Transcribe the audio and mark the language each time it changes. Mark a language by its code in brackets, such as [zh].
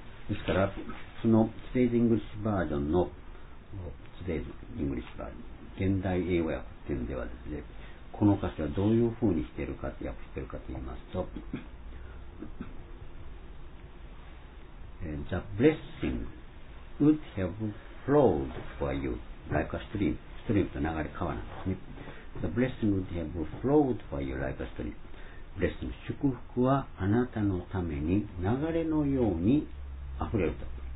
[ja] ですから、その [en] Today's English version [ja] の、Today's English version、現代英語訳っていうのではですね、この歌詞はどういうふうにしているか、訳しているかと言いますと、 [en] The blessing would have flowed for you like a stream. [ja] Stream と流れ川なんですね。 [en] The blessing would have flowed for you like a stream. [ja] Blessing 祝福はあなたのために流れのように溢れると。